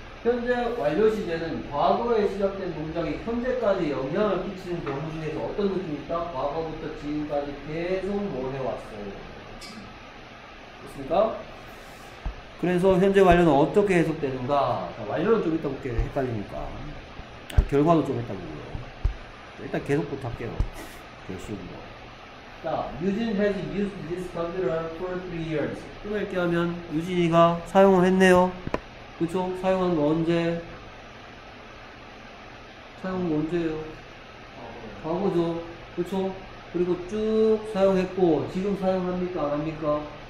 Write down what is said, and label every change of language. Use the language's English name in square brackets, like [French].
[Korean] 현재 완료 시제는 과거에 시작된 동작이 현재까지 영향을 끼치는 경우 중에서 어떤 느낌이 있다? 과거부터 지금까지 계속 뭘 해왔어요. 됐습니까? 그래서 현재 완료는 어떻게 해석되는가? 자, 완료는 좀 이따 볼게요. 헷갈리니까. 아, 결과도 좀 이따 볼게요. 일단 계속부터 할게요. 계속. [English] 자, Eugene has used this computer for 3 years. [Korean] 끊을게 하면 유진이가 사용을 했네요. 그쵸? 사용한 거 언제? 사용한 거 언제예요? 과거죠. 그쵸? 그리고 쭉 사용했고 지금 사용합니까? 안 합니까?